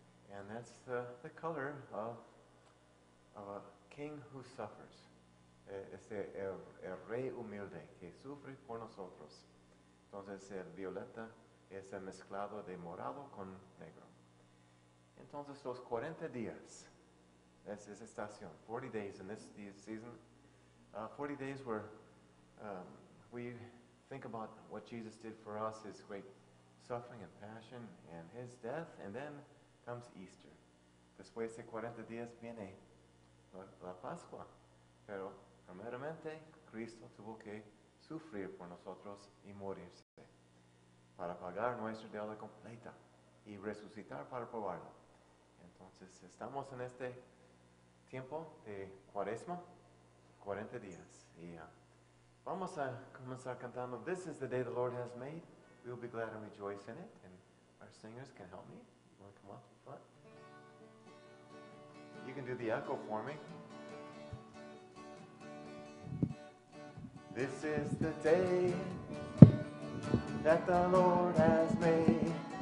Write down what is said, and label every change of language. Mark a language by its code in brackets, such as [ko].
[en] And that's the color of a king who suffers. [es] Este el rey humilde que sufre por nosotros. Entonces el violeta es el mezclado de morado con negro. Entonces, los 40 días, es esa estación, [en] 40 days in this season, 40 days where we think about what Jesus did for us, his great suffering and passion and his death, and then comes Easter. [es] Después de 40 días viene la Pascua, pero primeramente Cristo tuvo que sufrir por nosotros y morirse para pagar nuestra deuda completa y resucitar para probarlo. Entonces, estamos en este tiempo de cuaresma, 40 días. Vamos a comenzar cantando, [en] "This is the day the Lord has made. We will be glad and rejoice in it." And our singers can help me. You want to come up front? You can do the echo for me. "This is the day that the Lord has made.